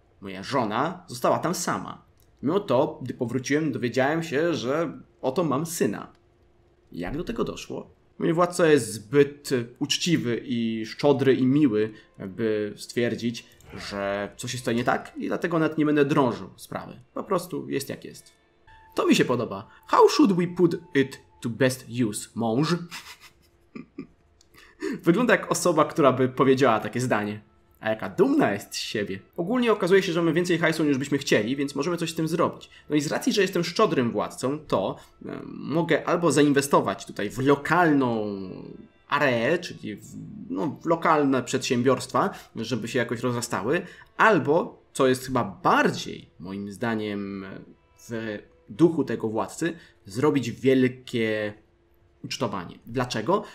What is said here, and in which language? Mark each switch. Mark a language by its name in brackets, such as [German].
[Polish] Moja żona została tam sama. Mimo to, gdy powróciłem, dowiedziałem się, że oto mam syna. Jak do tego doszło? Mój władca jest zbyt uczciwy i szczodry i miły, by stwierdzić, że coś jest tutaj nie tak i dlatego nawet nie będę drążył sprawy. Po prostu jest jak jest. To mi się podoba. [English] How should we put it to best use, mąż? [Polish] Wygląda jak osoba, która by powiedziała takie zdanie. A jaka dumna jest z siebie. Ogólnie okazuje się, że mamy więcej hajsu niż byśmy chcieli, więc możemy coś z tym zrobić. No i z racji, że jestem szczodrym władcą, to mogę albo zainwestować tutaj w lokalną areę, czyli w, no, w lokalne przedsiębiorstwa, żeby się jakoś rozrastały, albo, co jest chyba bardziej, moim zdaniem, w duchu tego władcy, zrobić wielkie ucztowanie. Dlaczego?